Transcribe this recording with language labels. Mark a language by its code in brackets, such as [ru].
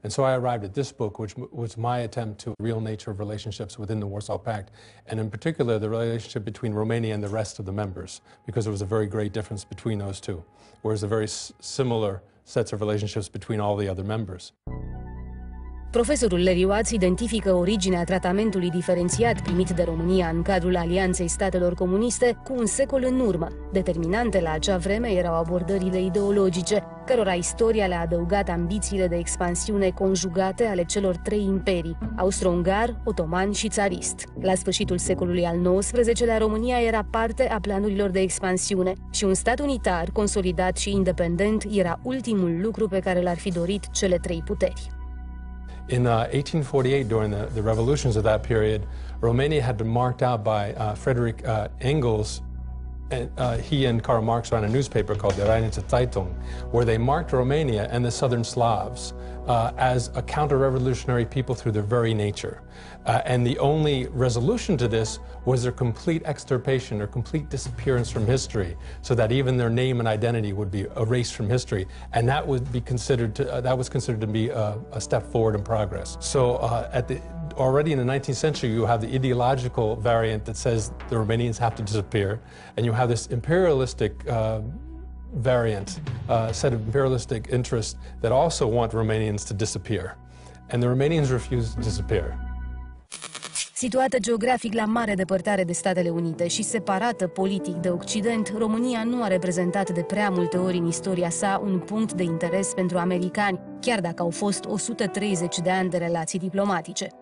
[en] And so I arrived at this book, which was my attempt to real nature of relationships within the Warsaw Pact, and in particular, the relationship between Romania and the rest of the members, because there was a very great difference between those two, whereas a very similar sets of relationships between all the other members. [ro] Profesorul Larry Watts identifică originea tratamentului diferențiat primit de România în cadrul Alianței Statelor Comuniste cu un secol în urmă. Determinante la acea vreme erau abordările ideologice, cărora istoria le-a adăugat ambițiile de expansiune conjugate ale celor trei imperii, austro-ungar, otoman și țarist. La sfârșitul secolului al XIX-lea, România era parte a planurilor de expansiune și un stat unitar, consolidat și independent, era ultimul lucru pe care l-ar fi dorit cele trei puteri. [en] In 1848, during the revolutions of that period, Romania had been marked out by Frederick Engels. He and Karl Marx ran a newspaper called the Rheinische Zeitung, where they marked Romania and the southern Slavs as a counter-revolutionary people through their very nature. And the only resolution to this was their complete extirpation or complete disappearance from history, so that even their name and identity would be erased from history. And that would be considered to, that was considered to be a step forward in progress. So already in the 19th century, you have the ideological variant that says the Romanians have to disappear, and you have this imperialistic variant, set of imperialistic interests that also want Romanians to disappear. And the Romanians refuse to disappear. [ro] Situată geografic la mare depărtare de Statele Unite și separată politic de Occident, România nu a reprezentat de prea multe ori în istoria sa un punct de interes pentru americani, chiar dacă au fost 130 de ani de relații diplomatice.